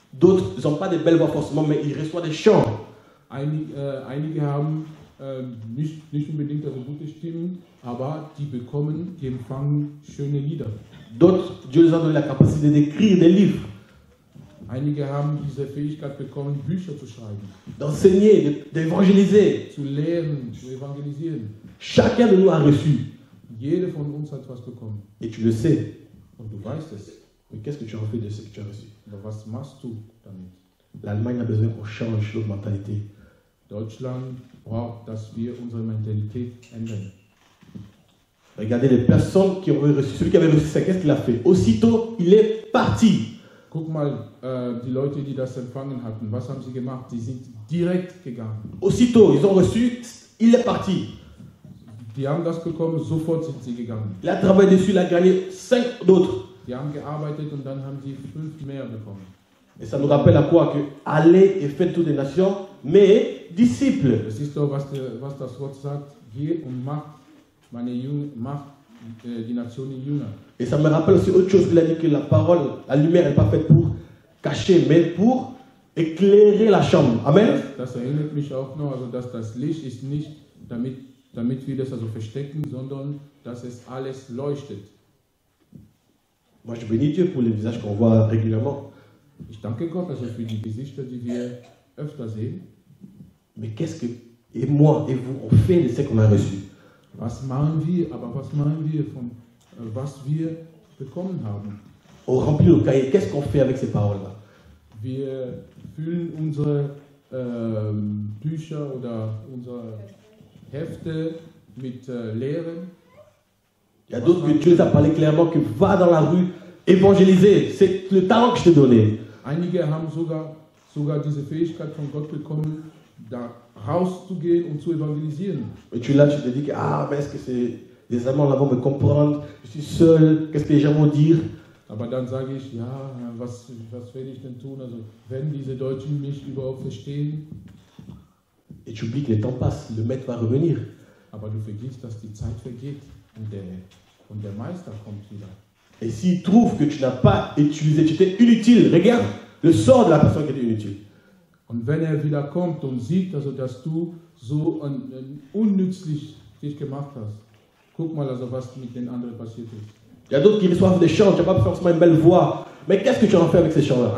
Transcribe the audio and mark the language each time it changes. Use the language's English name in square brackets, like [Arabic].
[French] D'autres n'ont pas de belles voix forcément, mais ils reçoivent des chants. [German] Einige haben nicht unbedingt also gute Stimmen, aber die empfangen schöne Lieder. [French] D'autres, Dieu les a donné la capacité d'écrire des livres. [German] Einige haben diese Fähigkeit bekommen, Bücher zu schreiben. [French] D'enseigner, d'évangéliser. [German] Zu lehren, zu evangelisieren. [French] Chacun de nous a reçu. [German] Jeder von uns hat was bekommen. [French] Et tu le sais. [German] Und du weißt es. [French] Mais qu'est-ce que tu en fais de ce que tu as reçu? [German] Aber was machst du damit? [French] L'Allemagne a besoin qu'on change notre mentalité. [German] Deutschland braucht, dass wir unsere Mentalität ändern. [French] Regardez les personnes qui ont reçu. Celui qui avait reçu ça, qu'est-ce qu'il a fait? Aussitôt, il est parti. [German] Guck mal, die Leute, die das empfangen hatten, was haben sie gemacht? Die sind direkt gegangen. [French] Aussitôt, ils ont reçu, il est parti. [German] Die haben das bekommen, sofort sind sie gegangen. [French] Il a travaillé dessus, il a gagné 5 d'autres. [German] Die haben gearbeitet und dann haben sie 5 mehr bekommen. [French] Et ça nous rappelle à quoi? Que allez et faites toutes les nations, mais disciples. [German] Es ist doch, was das Wort sagt, geh und mach meine Jünger, mach die Nationen jünger. [French] Et ça me rappelle aussi autre chose qu'il a dit, que la parole, la lumière n'est pas faite pour cacher, mais pour éclairer la chambre. Amen. [German] Das erinnert mich auch noch, also dass das Licht ist nicht, damit wir das also verstecken, sondern dass es alles leuchtet. [French] Moi, je bénis Dieu pour les visages qu'on voit régulièrement. [German] Ich danke Gott also für die Gesichter, die wir öfter sehen. [French] Mais qu'est-ce que, et moi, et vous, on fait de ce qu'on a reçu? [German] Was machen wir, aber was machen wir von... was wir bekommen haben. [French] On remplit le cahier. Qu'est-ce qu'on fait avec ces paroles-là? [German] Wir füllen unsere Bücher oder unsere Hefte mit Lehren. [French] Il y a d'autres que Dieu t'a parlé clairement, que va dans la rue évangéliser. C'est le talent que je t'ai donné. [German] Einige haben sogar diese Fähigkeit von Gott bekommen, da rauszugehen und zu evangelisieren. [French] Et tu l'as, tu te dis que, ah, mais est-ce que c'est... les Allemands là-bas me comprendre, je suis seul, qu'est-ce que les gens vont dire? [German] Aber dann sage ich, ja, was werde ich denn tun? Also, wenn diese Deutschen mich überhaupt verstehen. [French] Et tu oublies que le temps passe, le maître va revenir. [German] Aber du vergisst, dass die Zeit vergeht und der Meister kommt wieder. [French] Et s'il trouve que tu n'as pas utilisé, tu étais inutile, regarde le sort de la personne qui était inutile. [German] Und wenn wieder kommt und sieht, also, dass du so ein unnützlich dich gemacht hast. Guck mal, also was mit den anderen passiert ist. [French] Il y a d'autres qui reçoivent des chants, tu n'as pas forcément une belle voix. Mais qu'est-ce que tu en fais avec ces chants-là?